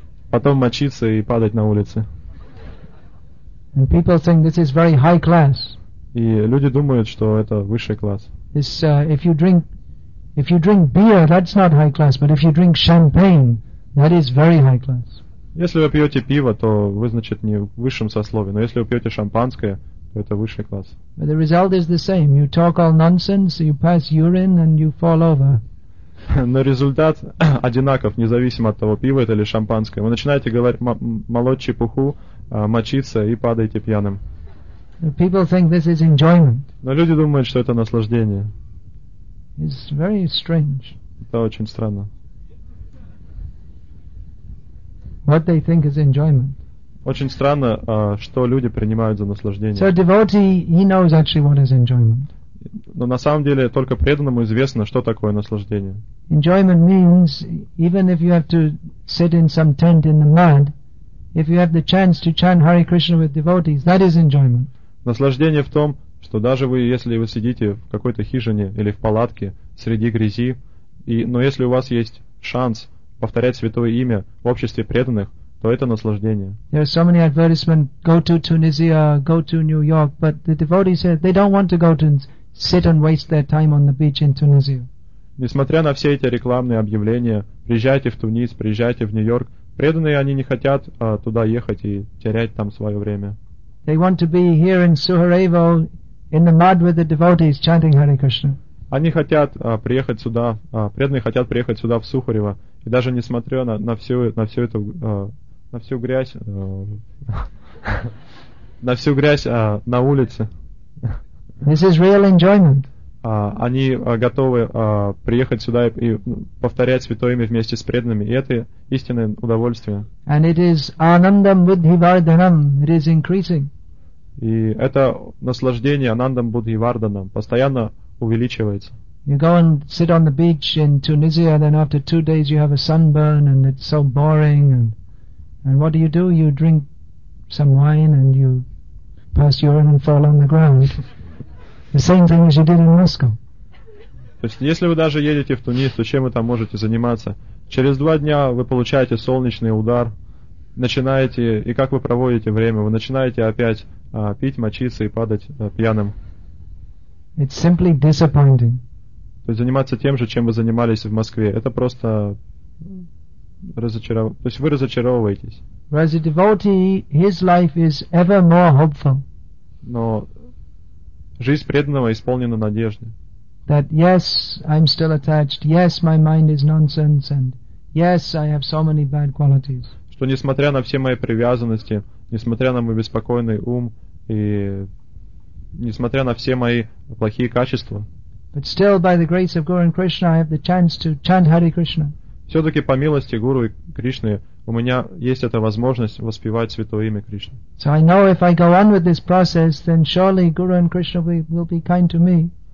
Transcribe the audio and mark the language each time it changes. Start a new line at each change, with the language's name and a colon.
Russian: Потом мочиться и падать на улице.
English: And people think this is very high class.
Russian: И люди думают, что это высший класс.
English: This, if you drink beer, that's not high class, but if you drink champagne, that is very high class.
Russian: Если вы пьете пиво, то вы, значит, не в высшем сословии. Но если вы пьете шампанское, то это высший класс.
English: But the result is the same. You talk all nonsense, you pass urine, and you fall over.
Russian: Но результат одинаков, независимо от того, пиво это или шампанское. Вы начинаете говорить молоть чепуху, мочиться и падаете пьяным.
English: People think this is enjoyment.
Russian: Но люди думают, что это наслаждение.
English: It's very strange.
Russian: Это очень странно.
English: What they think is enjoyment.
Russian: Очень странно, что люди принимают за наслаждение.
English: So devotee, he knows actually what is enjoyment.
Russian: Но на самом деле только преданному известно, что такое наслаждение.
English: Enjoyment means even if you have to sit in some tent in the mud, if you have the chance to chant Hare Krishna with devotees, that is enjoyment.
Russian: Наслаждение в том, что даже вы, если вы сидите в какой-то хижине или в палатке среди грязи, но если у вас есть шанс повторять святое имя в обществе преданных, то это наслаждение.
English: There are so many advertisements, go to Tunisia, go to New York, but the devotees say they don't want to go to sit and waste their time on the beach in Tunisia.
Russian: Несмотря на все эти рекламные объявления, приезжайте в Тунис, приезжайте в Нью-Йорк, преданные они не хотят туда ехать и терять там свое время.
English: They want to be here in Suharevo, in the mud with the devotees, chanting Hare Krishna.
Russian: Они хотят приехать сюда, преданные хотят приехать сюда в Сухарево, и даже несмотря на всю грязь на улице.
English: This is real enjoyment.
Russian: Они готовы приехать сюда и повторять святое имя вместе с преданными, и это истинное удовольствие.
English: And it is anandam vidhivardhanam, it is increasing.
Russian: И это наслаждение Анандам Будхиварданам постоянно увеличивается.
English: You go and sit on the beach in Tunisia, then after 2 days you have a sunburn and it's so boring, and what do? You drink some wine and you pass urine and fall on the ground. The same thing as you did in Moscow.
Russian: То есть, если вы даже едете в Тунис, то чем вы там можете заниматься? Через 2 дня вы получаете солнечный удар, начинаете, и как вы проводите время? Вы начинаете опять пить, мочиться и падать пьяным.
English: It's simply disappointing.
Russian: То есть заниматься тем же, чем вы занимались в Москве. Это просто разочаровывает. То есть вы разочаровываетесь.
English: Whereas a devotee, his life is ever more hopeful.
Russian: Но жизнь преданного исполнена надежды.
English: That yes, I'm still attached. Yes, my mind is nonsense. And yes, I have so many bad qualities.
Russian: Что несмотря на все мои привязанности, несмотря на мой беспокойный ум и несмотря на все мои плохие качества.
English: But still, by the grace of Guru and Krishna, I have the chance to chant Hare Krishna.
Russian: Все-таки по милости Гуру и Кришны у меня есть эта возможность воспевать святое имя Кришны.
English: So I know if I go on with this process, then surely Guru and Krishna will be kind to me.